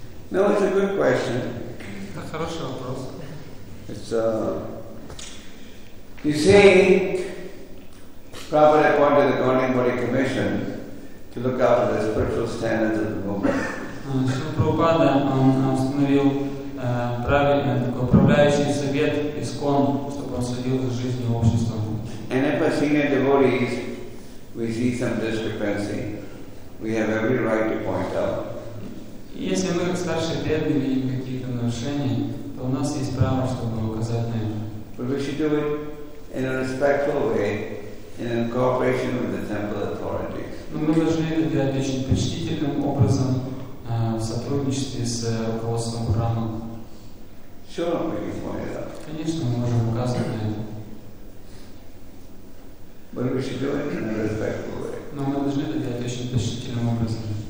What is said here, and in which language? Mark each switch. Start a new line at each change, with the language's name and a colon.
English: No, it's a good question.
Russian: Хороший вопрос.
English: It's you see, Prabhupada appointed the Governing Body Commission to look after the spiritual standards of the movement.
Russian: Шрила Прабхупада установил правильный такой управляющий совет ИСККОН, чтобы он следил за жизнью общества.
English: And if a senior devotee we see some discrepancy, we have every right to point out.
Russian: Если мы как старшие преданные видим какие-то нарушения, то у нас есть право, чтобы указать на это.
English: But we should do it in a respectful way, in cooperation with the temple authorities.
Russian: Но мы должны это делать очень почтительным образом, в сотрудничестве с руководством храма.
English: Sure, we can point it out.
Russian: Конечно, мы можем указывать на это.
English: But we should do it in a respectful way.
Russian: Но мы должны это делать очень почтительным образом.